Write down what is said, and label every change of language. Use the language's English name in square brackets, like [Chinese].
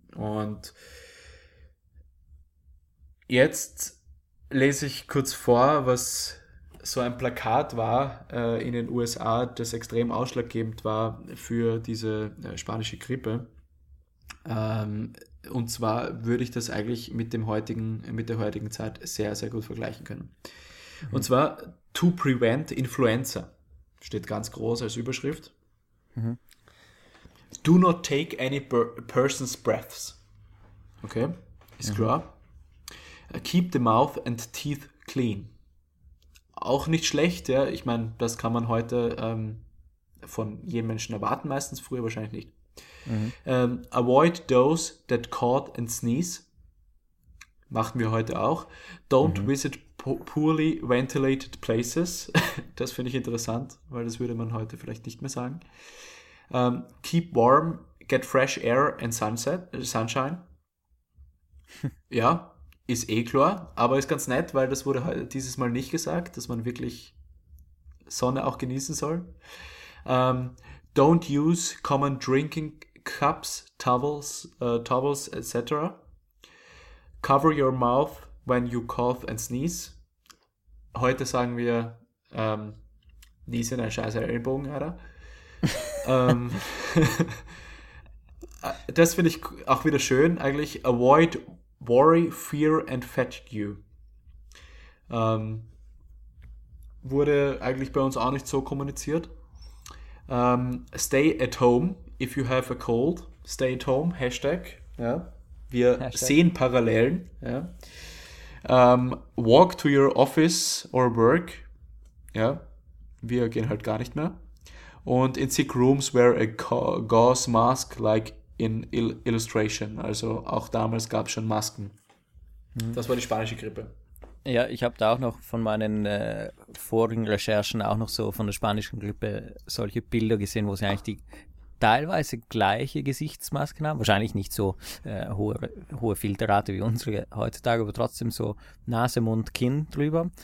[German] Und jetzt lese ich kurz vor, was so ein Plakat war in den USA, das extrem ausschlaggebend war für diese spanische Grippe. Und zwar würde ich das eigentlich mit der heutigen Zeit sehr, sehr gut vergleichen können. Mhm. Und zwar [English] "To prevent influenza" [German] steht ganz groß als Überschrift. Mhm. [English] "Do not take any person's breaths." [German] Okay, ist klar. [English] "Keep the mouth and teeth clean." [German] Auch nicht schlecht, ja. Ich meine, das kann man heute von jedem Menschen erwarten, meistens früher wahrscheinlich nicht. [English] Avoid those that cough and sneeze. [German] Machen wir heute auch. [English] Don't visit poorly ventilated places. [German] Das finde ich interessant, weil das würde man heute vielleicht nicht mehr sagen. [English] Keep warm, get fresh air and sunshine. [German] Ja. Ist eh klar, aber ist ganz nett, weil das wurde halt dieses Mal nicht gesagt, dass man wirklich Sonne auch genießen soll. [English] Don't use common drinking cups, towels, etc. Cover your mouth when you cough and sneeze. [German] Heute sagen wir, niesen ein scheiß Ellenbogen, Alter. Das finde ich auch wieder schön, eigentlich. [English] Avoid Worry, fear and fatigue. [German] Wurde eigentlich bei uns auch nicht so kommuniziert. [English] Stay at home if you have a cold. Stay at home, Hashtag. Ja. [German] Wir [English] Hashtag. [German] sehen Parallelen. Ja. [English] Walk to your office or work. [German] Ja. Wir gehen halt gar nicht mehr. Und [English] in sick rooms wear a gauze mask like in Illustration, [German] also auch damals gab es schon Masken. Das war die spanische Grippe. Ja, ich habe da auch noch von meinen vorigen Recherchen auch noch so von der spanischen Grippe solche Bilder gesehen, wo sie eigentlich die teilweise gleiche Gesichtsmasken haben, wahrscheinlich nicht so hohe Filterrate wie unsere heutzutage, aber trotzdem so Nase, Mund, Kinn drüber.